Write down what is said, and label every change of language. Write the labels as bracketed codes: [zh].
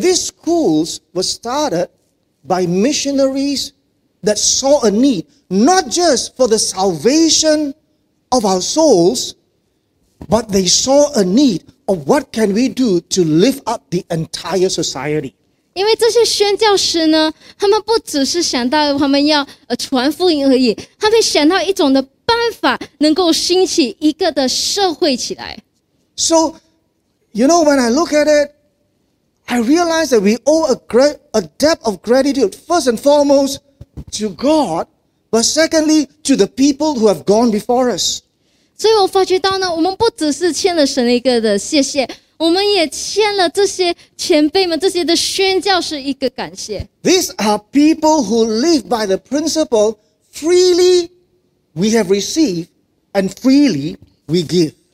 [en] these schools were started by missionaries that saw a need, not just for the salvation of our souls, but they saw a need of what can we do to lift up the entire society. [zh] 因为这些宣教师呢，他们不只是想到他们要传福音而已，他们想到一种的办法，能够兴起一个的社会起来。 [en] So, you know, when I look at it, I realize that we owe a debt of gratitude, first and foremost, to God, but secondly, to the people who have gone before us. [zh] 所以我发觉到呢，我们不只是欠了神一个的谢谢。我们也欠了这些前辈们、这些的宣教士一个感谢。 [en] These are people who live by the principle freely we have received and freely we give.